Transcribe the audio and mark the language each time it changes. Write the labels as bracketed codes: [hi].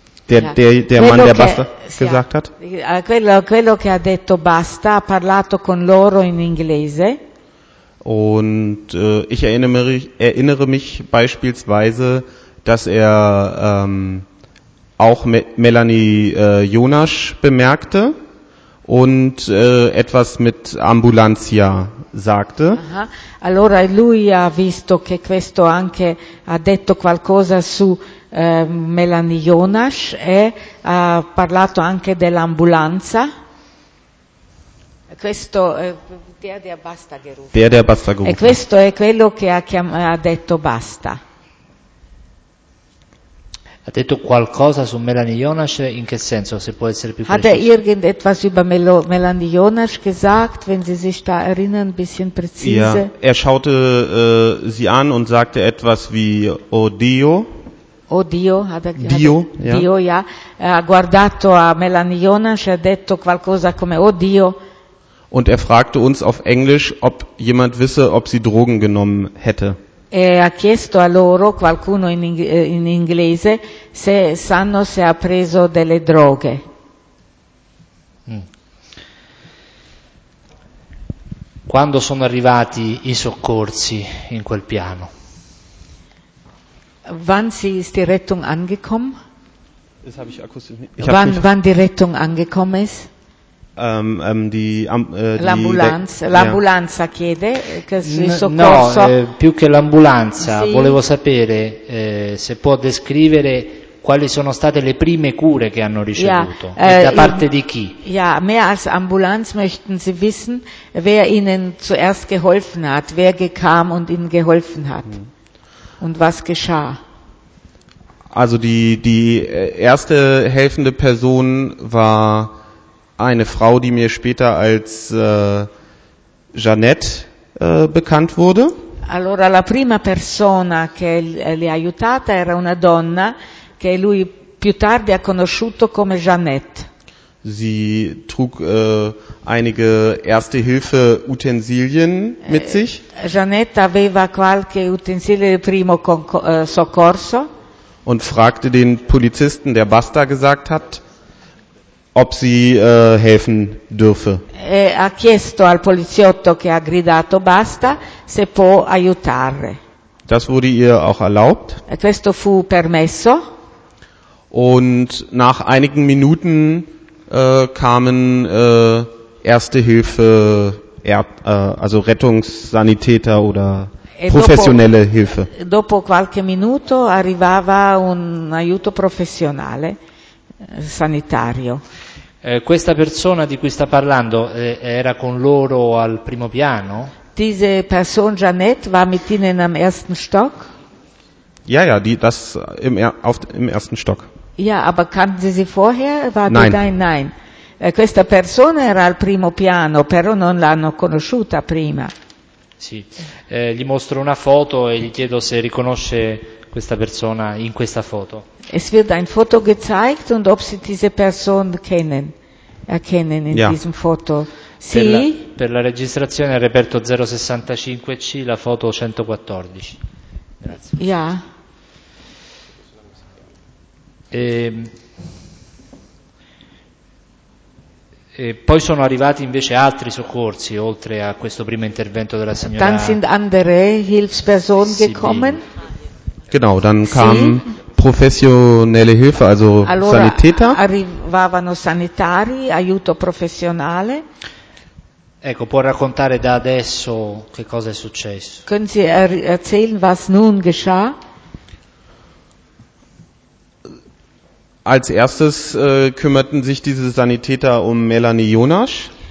[de] Der Mann, der Basta gesagt hat. [it] Quello che ha detto basta ha parlato con loro in inglese. [de] Und ich erinnere mich beispielsweise, dass er auch Melanie Jonasch bemerkte und etwas mit Ambulanzia sagte. Aha. [it] Allora lui ha visto che questo anche ha detto qualcosa su Melanie Jonasch e ha parlato anche dell'ambulanza. Questo [de] der Basta gerufen. Der Basta gerufen. [it] E questo è quello che ha detto Basta. Ha detto qualcosa su Melanie Jonasch, in che senso, se può essere più preciso? [de] Hat irgendetwas über Melanie Jonasch gesagt, wenn Sie sich da erinnern, ein bisschen präzise? Ja, er schaute sie an und sagte etwas wie [it] oh Dio. Oh Dio, Dio, ja. Ha guardato a Melanie Jonasch, ha detto qualcosa come oh Dio. [de] Und er fragte uns auf Englisch, ob jemand wisse, ob sie Drogen genommen hätte. [it] Er ha chiesto a loro, qualcuno in inglese, se sanno se ha preso delle droghe. Quando sono arrivati i soccorsi in quel piano? [de] Wann ist die Rettung angekommen? Das habe ich akustisch nicht. Wann die Rettung angekommen ist? [it] L'ambulanza chiede il soccorso. No, più che l'ambulanza, sì. Volevo sapere se può descrivere quali sono state le prime cure che hanno ricevuto, [de] ja, [it] da parte di chi? [de] Ja, mehr als Ambulanz möchten Sie wissen, wer Ihnen zuerst geholfen hat, wer gekam und Ihnen geholfen hat. Und was geschah? Also die erste helfende Person war eine Frau, die mir später als Jeanette bekannt wurde. [it] Allora la prima persona che li ha aiutata era una donna che lui più tardi ha conosciuto come Jeanette. [de] Sie trug einige erste Hilfe Utensilien mit sich. [it] Jeanette aveva qualche utensile di primo soccorso. [de] Und fragte den Polizisten, der Basta gesagt hat, ob sie helfen dürfe. [it] E ha chiesto al poliziotto che ha gridato basta se può aiutare. [de] Das wurde ihr auch erlaubt. [it] E questo fu permesso. [de] Und nach einigen Minuten kamen erste Hilfe, also Rettungssanitäter oder professionelle Hilfe. [it] Dopo qualche minuto arrivava un aiuto professionale sanitario. Questa persona di cui sta parlando era con loro al primo piano? [de] Diese Person Jeanette war mit ihnen am ersten Stock? Ja, im ersten Stock. Ja, aber kannten Sie sie vorher? War nein. Nein. [it] Questa persona era al primo piano, però non l'hanno conosciuta prima. Sì. Gli mostro una foto e gli chiedo se riconosce questa persona in questa foto. [de] Es wird ein Foto gezeigt und ob Sie diese Person erkennen in ja. Diesem Foto. [it] Sì. Per la registrazione al reperto 065C, la foto 114. Grazie. [de] Ja. [it] E poi sono arrivati invece altri soccorsi oltre a questo primo intervento della signora. [de] Dann sind andere Hilfspersonen Sibyl. Gekommen. Genau, dann kam professionelle Hilfe, also [it] allora, [de] Sanitäter. [it] Arrivavano sanitari, aiuto professionale. Ecco, può raccontare da adesso che cosa è successo? [de] Können Sie erzählen, was nun geschah? Als erstes kümmerten sich diese Sanitäter um Melanie Jonasch.